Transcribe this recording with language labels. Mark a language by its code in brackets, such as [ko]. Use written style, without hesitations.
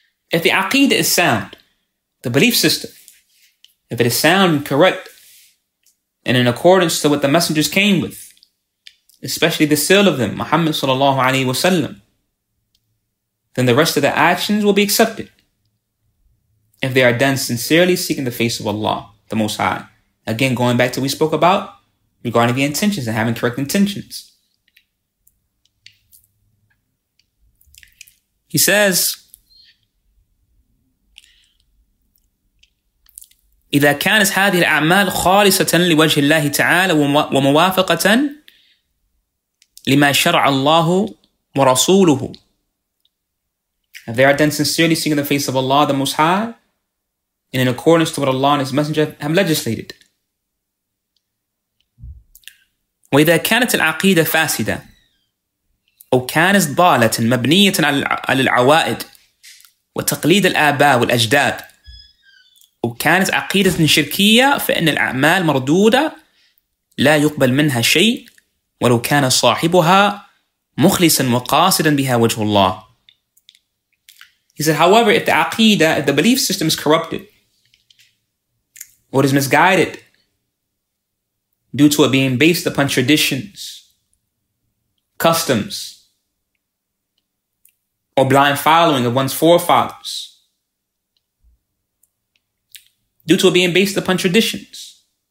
[en] If the aqidah is sound, the belief system, if it is sound and correct and in accordance to what the messengers came with, especially the seal of them, Muhammad sallallahu alayhi wa sallam, then the rest of the actions will be accepted if they are done sincerely seeking the face of Allah, the Most High. Again, going back to what we spoke about regarding the intentions and having correct intentions. He says, [ar] إذا كانت هذه الأعمال خالصة لوجه الله تعالى وموافقة لما شرع الله ورسوله. [en] If they are done sincerely seeking the face of Allah, the Most High, and in accordance to what Allah and His Messenger have legislated. [ar] وإذا كانت العقيدة فاسدة أو كانت ضالة مبنية على العوائد وتقليد الآباء والأجداد وكانت عقيدة شركية فإن الأعمال مردودة لا يقبل منها شيء ولو كان صاحبها مخلصا وقاصدا بها وجه الله. [en] He said, however, if the aqidah, if the belief system is corrupted or is misguided due to it being based upon traditions, customs, or blind following of one's forefathers, due to it being based upon traditions,